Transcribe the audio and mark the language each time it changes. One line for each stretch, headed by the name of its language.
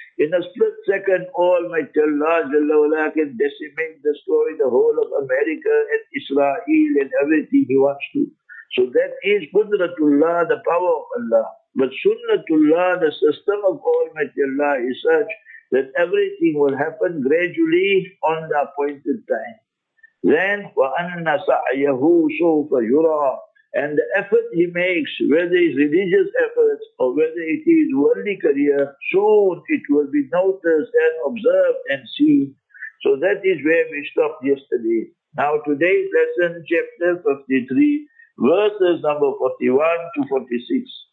English: In a split second, Almighty Allah Jalla Wala can decimate, destroy the whole of America and Israel and everything he wants to. So that is Qudratullah, the power of Allah. But Sunnatullah, the system of Almighty Allah is such that everything will happen gradually on the appointed time.
Arabic: Then, وَأَنَّ سَعْيَهُ سَوْفَ يُرَىٰ.
English: And the effort he makes, whether it's religious efforts or whether it is worldly career, soon it will be noticed and observed and seen. So that is where we stopped yesterday. Now today's lesson, chapter 53, verses number 41 to 46.